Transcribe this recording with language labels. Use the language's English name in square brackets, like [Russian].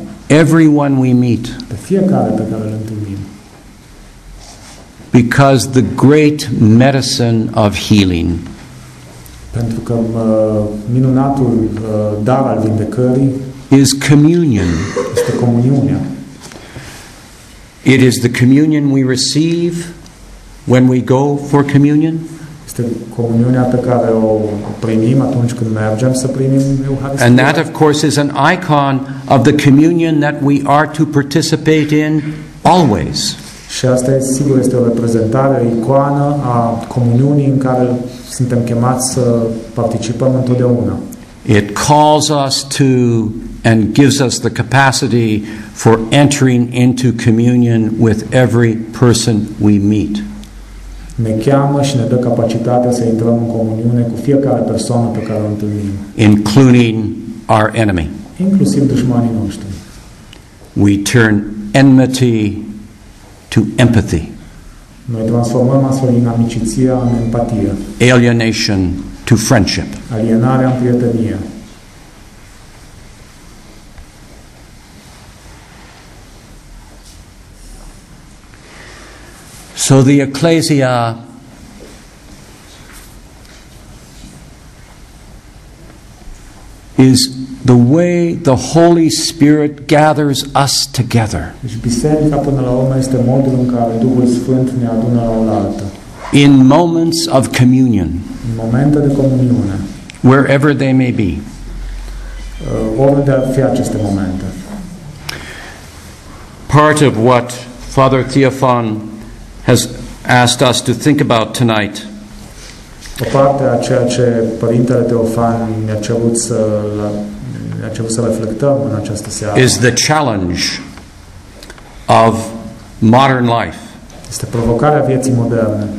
[English] Everyone we meet. [Romanian] Pe fiecare pe care îl întâlnim. [English] Because the great medicine of healing. [Romanian] Pentru că minunatul dar al vindecării. [English] Is communion. [Romanian] Este comuniunea. [English] It is the communion we receive when we go for communion. [Romanian] Este comuniunea pe care o primim atunci când mergem să primim Euharistia. [English] And that, of course, is an icon of the communion that we are to participate in always. [Romanian] Și asta, sigur, este o reprezentare, o icoană a comuniunii în care suntem chemați să participăm întotdeauna. [English] It calls us to and gives us the capacity for entering into communion with every person we meet. [Romanian] Ne cheamă și ne dă capacitatea să intrăm în comuniune cu fiecare persoană pe care o întâlnim. [English] Including our enemy. [Romanian] Inclusiv dușmanii noștri. [English] We turn enmity to empathy. [Romanian] Noi transformăm astfel inamicizia în empatie. [English] Alienation to friendship. [Romanian] Alienarea în prietenie. [English] So the ecclesia is the way the Holy Spirit gathers us together. [Romanian] Biserica, până la urmă, este modul în care Duhul Sfânt ne adună la oaltă. [English] In moments of communion, [Romanian] în momente de comuniune, [English] wherever they may be, [Romanian] oriunde ar fi aceste momente. [English] Part of what Father Theophan has asked us to think about tonight. [Romanian] O parte a ceea ce Părintele Teofan ne-a cerut să reflectăm în această seară. [English] Is the challenge of modern life. [Romanian] Este provocarea vieții moderne.